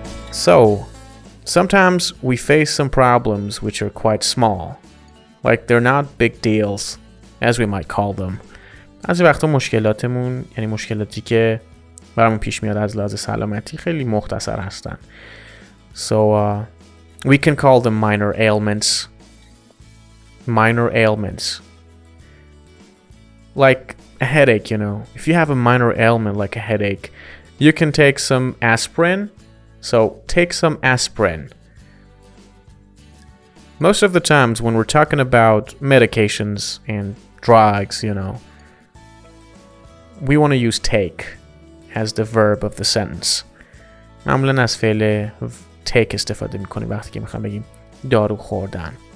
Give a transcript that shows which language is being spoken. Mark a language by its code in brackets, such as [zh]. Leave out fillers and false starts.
[en] So, sometimes we face some problems which are quite small. Like they're not big deals, as we might call them. [fa] بعضی وقتا مشکلاتمون یعنی مشکلاتی که برامون پیش میاد از لحاظ سلامتی خیلی مختصر هستن. [en] So, we can call them minor ailments. Minor ailments. Like a headache, you know. If you have a minor ailment like a headache, you can take some aspirin. So, take some aspirin. Most of the times when we're talking about medications and drugs, you know, we want to use take as the verb of the sentence. [fa] معمولاً از فعل take استفاده می‌کنیم وقتی که می‌خوام بگیم دارو خوردن.